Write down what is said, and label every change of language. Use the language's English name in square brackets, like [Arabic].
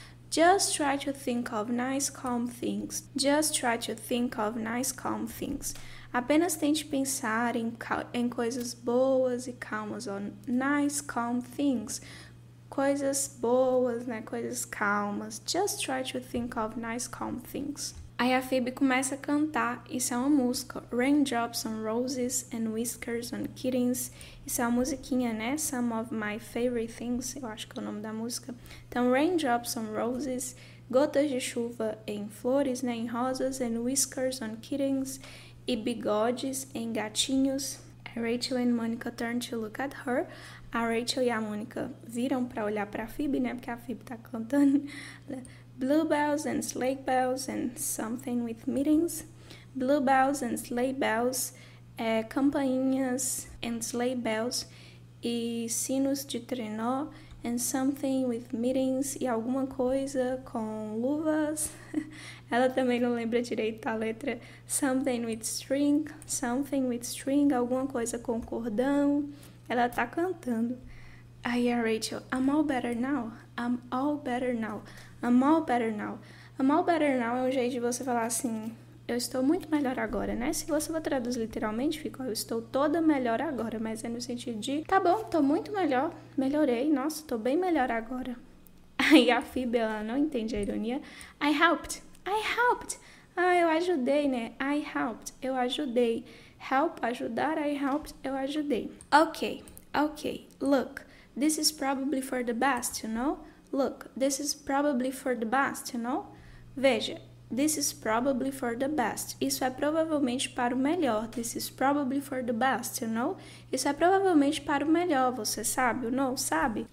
[English] Just try to think of nice, calm things. Just try to think of nice, calm things. [Portuguese] Apenas tente pensar em coisas boas e calmas, ó. [English] Nice, calm things. [Portuguese] Coisas boas, né? Coisas calmas. [English] Just try to think of nice, calm things. [Portuguese] Aí a Phoebe começa a cantar. Isso é uma música. [English] Raindrops on roses and whiskers on kittens. [Portuguese] Isso é uma musiquinha, né? [English] Some of my favorite things. [Portuguese] Eu acho que é o nome da música. Então, [English] raindrops on roses. [Portuguese] Gotas de chuva em flores, né? Em rosas. [English] And whiskers on kittens. [Portuguese] E bigodes em gatinhos. [English] Rachel and Monica turn to look at her. [Portuguese] A Rachel e a Mônica viram para olhar para a Phoebe, né? Porque a Phoebe tá cantando. [English] Bluebells and sleigh bells and something with meetings. Bluebells and sleigh bells. [Portuguese] É, campainhas [English] and sleigh bells. [Portuguese] E sinos de trenó. [English] And something with meetings. [Portuguese] E alguma coisa com luvas. Ela também não lembra direito a letra. [English] Something with string. Something with string. [Portuguese] Alguma coisa com cordão. Ela tá cantando. Aí a [English] Rachel, I'm all better now. I'm all better now. I'm all better now. Mal better now [Portuguese] é um jeito de você falar assim, eu estou muito melhor agora, né? Se você for traduzir literalmente, fica, eu estou toda melhor agora, mas é no sentido de, tá bom, estou muito melhor, melhorei, nossa, estou bem melhor agora. Aí a Phoebe, ela não entende a ironia. [English] I helped, [Portuguese] ah, eu ajudei, né? [English] I helped, [Portuguese] eu ajudei. Help, ajudar, I helped, eu ajudei. [English] Ok, look, this is probably for the best, you know? Look, this is probably for the best, you know? [Portuguese] Veja, [English] this is probably for the best. [Portuguese] Isso é provavelmente para o melhor. [English] This is probably for the best, you know? [Portuguese] Isso é provavelmente para o melhor, você sabe ou não sabe?